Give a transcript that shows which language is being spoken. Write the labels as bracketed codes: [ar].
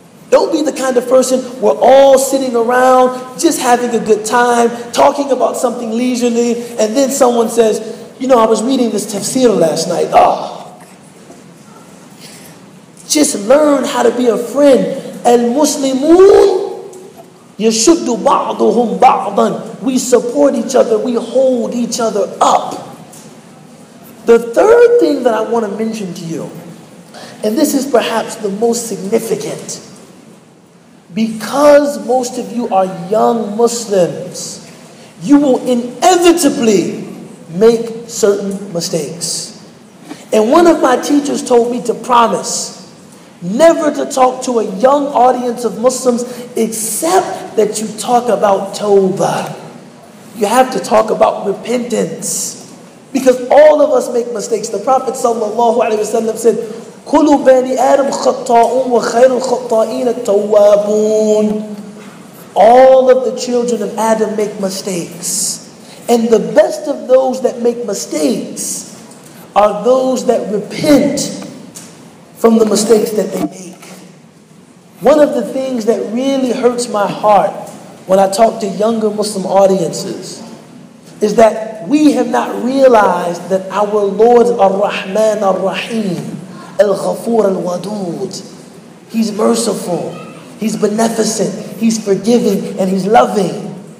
[en] Don't be the kind of person we're all sitting around just having a good time, talking about something leisurely, and then someone says, you know, I was reading this tafsir last night. Oh. Just learn how to be a friend. [ar] Al-Muslimun يَشُدُّ بَعْضُهُمْ بَعْضًا. [en] We support each other, we hold each other up. The third thing that I want to mention to you, and this is perhaps the most significant, because most of you are young Muslims, you will inevitably make certain mistakes. And one of my teachers told me to promise never to talk to a young audience of Muslims except that you talk about tawbah. You have to talk about repentance. Because all of us make mistakes. The Prophet ﷺ said, [ar] كُلُّ بَنِي آدَمْ خَطَّاءٌ وَخَيْرُ الْخَطَّائِينَ التَّوَّابُونَ. [en] All of the children of Adam make mistakes. And the best of those that make mistakes are those that repent from the mistakes that they make. One of the things that really hurts my heart when I talk to younger Muslim audiences is that we have not realized that our Lord Ar-Rahman Ar-Rahim, Al-Ghafoor Al-Wadood, He's merciful, He's beneficent, He's forgiving, and He's loving.